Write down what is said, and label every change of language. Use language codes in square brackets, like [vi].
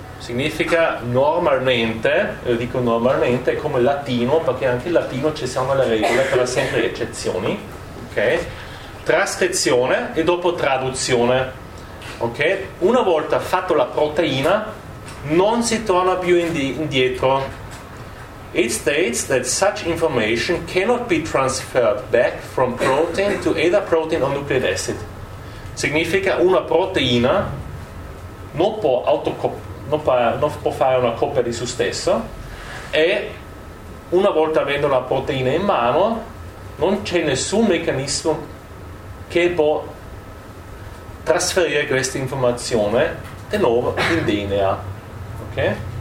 [it] Significa normalmente, lo dico normalmente, come latino, perché anche in latino ci sono le regole, però sempre le eccezioni, ok? Trascrizione e dopo traduzione, ok? Una volta fatto la proteina non si torna più indietro. [en] It states that such information cannot be transferred back from protein to either protein or nucleic acid. [it] Significa una proteina non può fare una copia di se stesso, e una volta avendo la proteina in mano non c'è nessun meccanismo che può trasferire questa informazione di nuovo in DNA, ok?